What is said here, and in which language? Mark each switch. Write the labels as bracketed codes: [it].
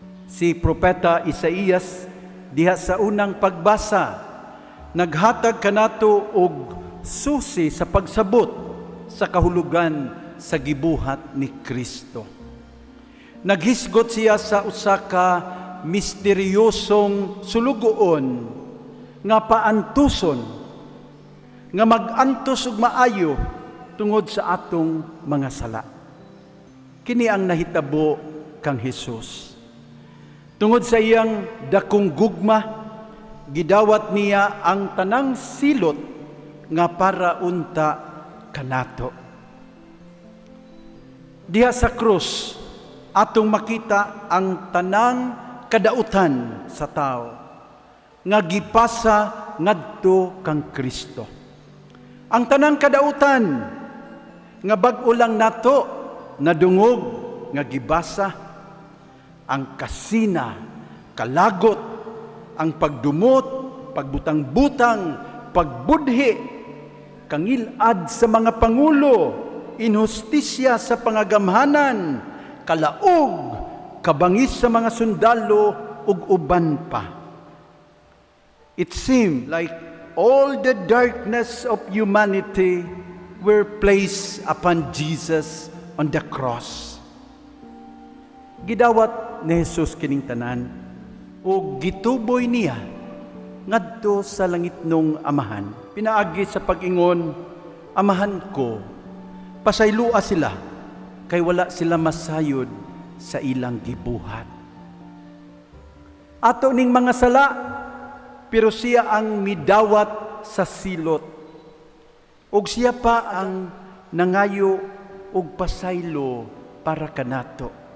[ceb] Si propeta Isaías diha sa unang pagbasa naghatag kanato og susi sa pagsabot sa kahulugan sa gibuhat ni Kristo. Naghisgot siya sa usa ka misteryosong sulugoon nga paantuson nga mag-antos ug maayo tungod sa atong mga sala. Kini ang nahitabo kang Hesus. Tungod sa iyang dakong gugma, gidawat niya ang tanang silot nga para unta kanato. Diha sa krus, atong makita ang tanang kadautan sa tao nga gipasa ngadto kang Kristo. Ang tanang kadautan nga bag-o lang nato nadungog nga gibasa, ang kasina, kalagot, ang pagdumot, pagbutang-butang, pagbudhi, kangilad sa mga pangulo, injustisya sa pangagamhanan, kalaog, kabangis sa mga sundalo ug uban pa. [en] It seemed like all the darkness of humanity were placed upon Jesus on the cross. [ceb] Gidawat ni Jesus kining tanan ug gituboy niya ngadto sa langitnong Amahan. Pinaagi sa pag-ingon, "Amahan ko, pasayloa sila kay wala sila masayod sa ilang gibuhat." Ato ning mga sala, pero siya ang midawat sa silot. Ug siya pa ang nangayo ug pasaylo para kanato.